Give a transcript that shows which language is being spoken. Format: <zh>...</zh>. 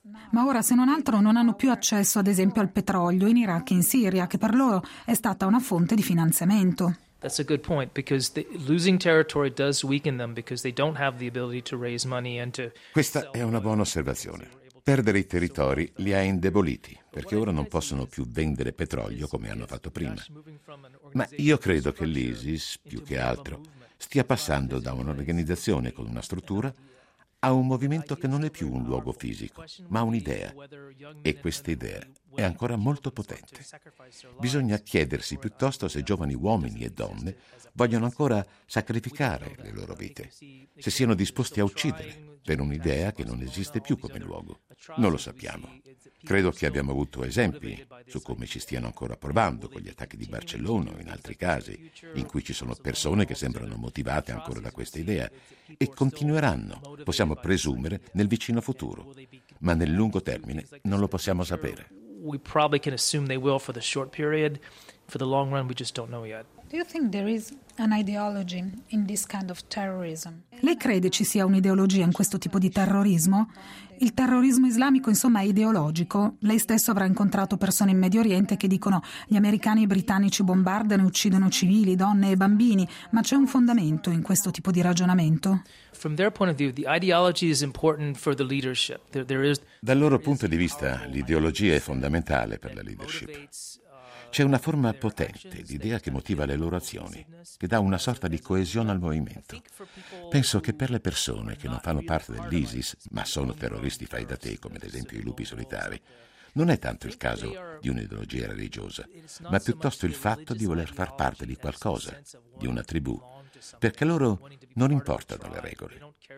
<it>Ma ora, se non altro, non hanno più accesso, ad esempio, al petrolio in Iraq e in Siria, che per loro è stata una fonte di finanziamento.</it> <en>That's a good point because the losing territory does weaken them because they don't have the ability to raise money and to.</en> <it>Questa è una buona osservazione. Perdere i territori li ha indeboliti, perché ora non possono più vendere petrolio come hanno fatto prima. Ma io credo che l'ISIS, più che altro, stia passando da un'organizzazione con una struttura a un movimento che non è più un luogo fisico, ma un'idea. E questa idea è ancora molto potente. Bisogna chiedersi piuttosto se giovani uomini e donne vogliono ancora sacrificare le loro vite, se siano disposti a uccidere per un'idea che non esiste più come luogo. Non lo sappiamo. Credo che abbiamo avuto esempi su come ci stiano ancora provando con gli attacchi di Barcellona o in altri casi, in cui ci sono persone che sembrano motivate ancora da questa idea e continueranno, possiamo presumere, nel vicino futuro. Ma nel lungo termine non lo possiamo sapere.</it> <en>We probably can assume they will for the short period. For the long run, we just don't know yet. Do you think there is an ideology in this kind of terrorism?</en> <it>Lei crede ci sia un'ideologia in questo tipo di terrorismo? Il terrorismo islamico, insomma, è ideologico. Lei stesso avrà incontrato persone in Medio Oriente che dicono gli americani e i britannici bombardano e uccidono civili, donne e bambini. Ma c'è un fondamento in questo tipo di ragionamento?</it> <en>From their point of view, the ideology is important for the leadership.</en> <it>Dal loro punto di vista, l'ideologia è fondamentale per la leadership. C'è una forma potente di idea che motiva le loro azioni, che dà una sorta di coesione al movimento. Penso che per le persone che non fanno parte dell'ISIS, ma sono terroristi fai da te, come ad esempio i lupi solitari, non è tanto il caso di un'ideologia religiosa, ma piuttosto il fatto di voler far parte di qualcosa, di una tribù, perché loro non importano le regole.</it>